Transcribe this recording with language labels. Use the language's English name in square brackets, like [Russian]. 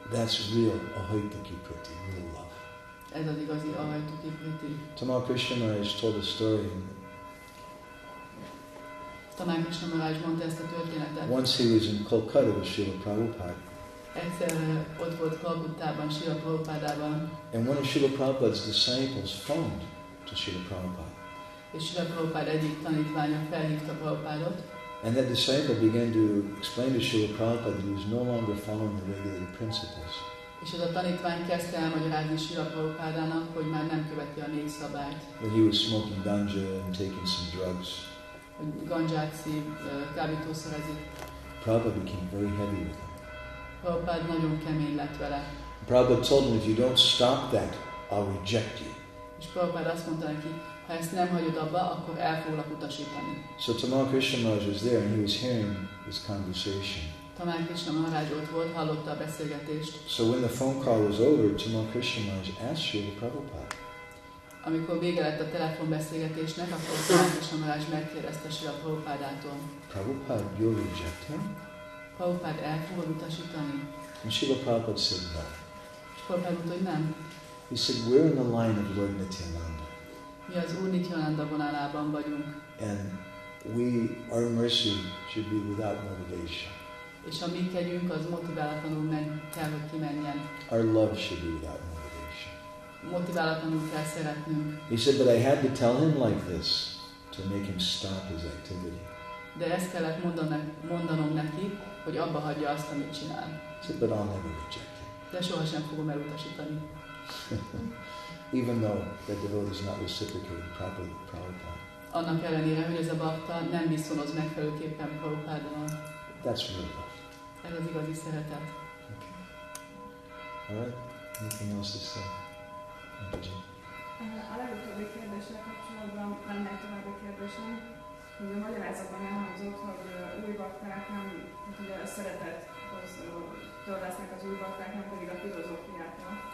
[English] That's real ahoitiki priti, real love. [Hungarian] Ez az igazi ahoitiki priti. [English] Tamal Krishna Maharaj told a story. [Hungarian] Tamal Krishna Maharaj mondta ezt a történetet. [English] Once he was in Kolkata with Srila Prabhupada. [Hungarian] Egyszer ott volt Kolkutában, Srila Prabhupádában. [English] And one of Srila Prabhupada's disciples phoned to Srila Prabhupada. [Hungarian] És Srila Prabhupada egyik tanítványa felhívta Prabhupádot. [English] And that disciple began to explain to Srila Prabhupada that he was no longer following the regular principles. [Hungarian] És az a tanítvány kezdte elmagyarázni Srila Prabhupádának, hogy már nem követi a négy szabályt. [English] That he was smoking ganja and taking some drugs. [Hungarian] Ganját szív, kábítószerezik. [English] Prabhupada became very heavy with him. [Hungarian] Prabhupád nagyon kemény lett vele. [English] Prabhupada told him, if you don't stop that, I'll reject you. [Hungarian] És Prabhupád azt mondta neki, ha ezt nem hagyod abba, akkor el foglak utasítani. [English] So Tamal Krishna Maharaj was there and he was hearing this conversation. [Hungarian] Tamal Krishna Maharaj ott volt, hallotta a beszélgetést. [English] So when the phone call was over, Tamal Krishna Maharaj asked Srila Prabhupada. [Hungarian] Amikor vége lett a telefonbeszélgetésnek, akkor Tamal Krishna Maharaj megkérdezte Srila Prabhupádától. [English] Prabhupada, you'll reject him? [Hungarian] Prabhupada, el fogod utasítani? [English] And Srila Prabhupada said no. [Hungarian] És Prabhupada mondta, hogy nem. [English] He said, we're in the line of Lord Nityananda. [Hungarian] Mi az Úr Nityananda vonalában vagyunk. [English] And we, our mercy should be without motivation. [Hungarian] És a mi kegyünk az motiválatlanul meg kell, hogy kimenjen. [English] Our love should be without motivation. [Hungarian] Motiválatlanul kell szeretnünk. [English] He said, but I had to tell him like this to make him stop his activity. [Hungarian] De ezt kellett mondanom neki, hogy abba hagyja azt, amit csinál. [English] He said, but I'll never reject him. [Hungarian] De sohasem fogom elutasítani. [English] Even though that devotee is not reciprocating properly with Prabhupada. [Hungarian] Annak ellenére, hogy ez a bhakta nem viszonoz megfelelőképpen Prabhupádnak. [English] That's real love. [Hungarian] Ez az igazi szeretet. [English] Okay. All right. Anything else to say? Thank you. [Hungarian] A legutóbbi kérdésre kapcsolatban lenne egy további kérdésem, hogy a magyarázatban elhangzott, hogy új bakták nem, hát ugye a szeretet tördesznek az új bakták, nem pedig a filozófiákra.